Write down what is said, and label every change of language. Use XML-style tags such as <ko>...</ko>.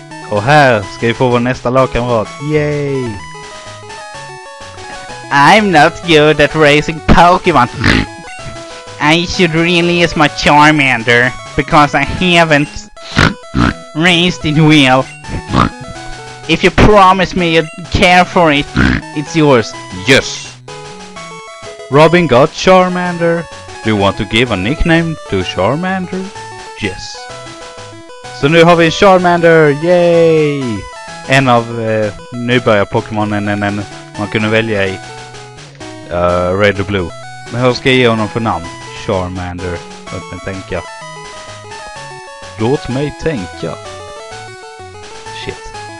<sv>Och här ska vi få vår nästa lagkamrat. Yay!</sv> <en>I'm not good at raising Pokemon. I should really use my Charmander. Because I haven't raised it well. If you promise me you'd care for it, it's yours. Yes. Robin got Charmander. Do you want to give a nickname to Charmander? Yes.</en> <sv>So nu har vi Charmander. Yay. En av nybörjar Pokémonen en man kunde välja i Red och Blue. Men hur ska jag ge honom för namn? Charmander. Låt mig tänka. Låt mig tänka. Shit.</sv>